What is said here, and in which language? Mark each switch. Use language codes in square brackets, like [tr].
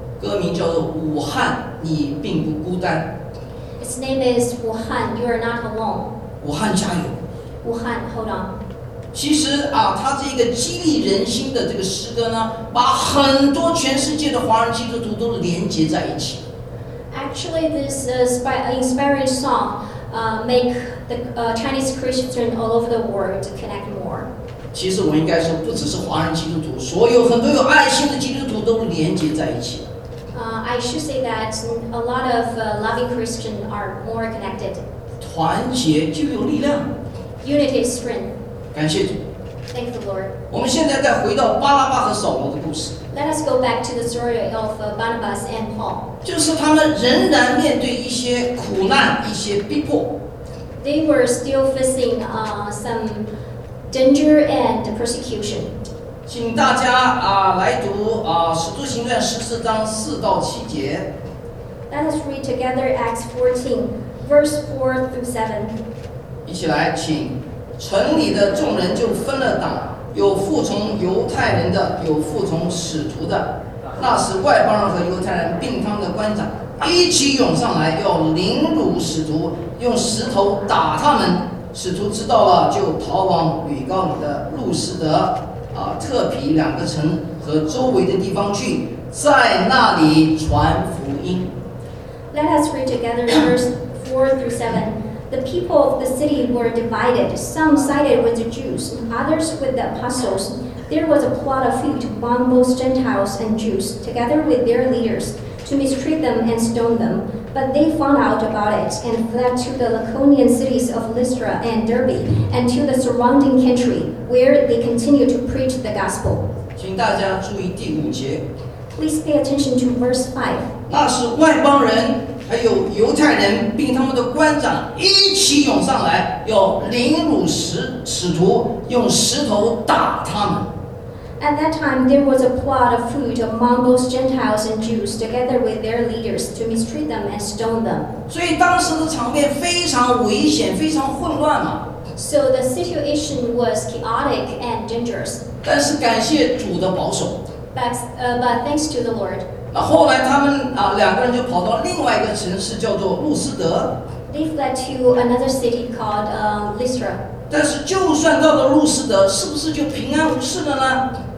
[zh] 歌名叫做《武汉，你并不孤单》。 [en] Its name is Wuhan, you are not alone. [zh] 武汉加油。 [en] Wuhan, hold on. [zh] 其实啊，他这个激励人心的这个诗歌呢，把很多全世界的华人基督徒都连接在一起。 [en] Actually, this inspiring song make the Chinese Christians all over the world connect more. [zh] 其实我应该说，不只是华人基督徒，所有很多有爱心的基督徒都连接在一起。 [en] I should say that a lot of loving Christians are more connected. [zh] 团结就有力量。 [en] Unity is strength. [zh] 感谢主。 [en] Thank the Lord. [zh] 我们现在再回到巴拉巴和扫罗的故事。 [en] Let us go back to the story of Barnabas and Paul. [zh] 就是他们仍然面对一些苦难，一些逼迫。 [en] They were still facing some danger and persecution. [zh] 请大家来读使徒行传十四章四到七节。 [en] Let us read together Acts 14, verse 4 through 7. [zh] 一起来，请。城里的众人就分了党，有服从犹太人的，有服从使徒的。那时外邦人和犹太人并他们的官长一起涌上来，要凌辱使徒，用石头打他们。使徒知道了，就逃往吕告里的路斯德、特皮两个城和周围的地方去，在那里传福音。 [en] Let us read together verse 4 through 7. The people of the city were divided. Some sided with the Jews, others with the apostles. There was a plot afoot among both Gentiles and Jews, together with their leaders, to mistreat them and stone them. But they found out about it and fled to the Laconian cities of Lystra and Derbe, and to the surrounding country, where they continued to preach the gospel. [zh] 请大家注意第五节。 [en] Please pay attention to verse 5. [zh] 那是外邦人。还有犹太人并他们的官长一起涌上来，要凌辱使徒，用石头打他们。 [en] At that time, there was a plot afoot among both Gentiles and Jews, together with their leaders, to mistreat them and stone them. [zh] 所以当时的场面非常危险，非常混乱嘛。 [en] So the situation was chaotic and dangerous. [zh] 但是感谢主的保守。 [en] But thanks to the Lord. [zh] 后来他们两个人就跑到另外一个城市叫做路斯德。 [en] They fled to another city called Lystra. [zh] 但是就算到了路斯德，是不是就平安无事了呢？